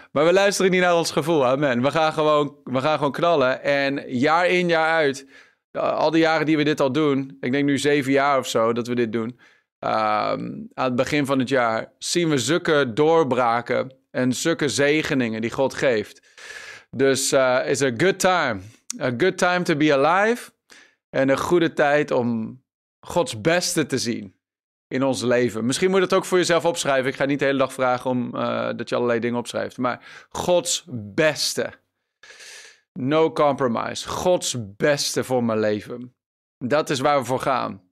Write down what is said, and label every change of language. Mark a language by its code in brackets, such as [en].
[nl] Maar we luisteren niet naar ons gevoel, amen. We gaan gewoon knallen en jaar in jaar uit. Al die jaren die we dit al doen, ik denk nu 7 jaar of zo dat we dit doen, aan het begin van het jaar, zien we zulke doorbraken en zulke zegeningen die God geeft. [en] Dus is a good time. A good time to be alive. [nl] En een goede tijd om Gods beste te zien in ons leven. Misschien moet je dat ook voor jezelf opschrijven. Ik ga niet de hele dag vragen om dat je allerlei dingen opschrijft. Maar Gods beste. [en] No compromise. [nl] Gods beste voor mijn leven. Dat is waar we voor gaan.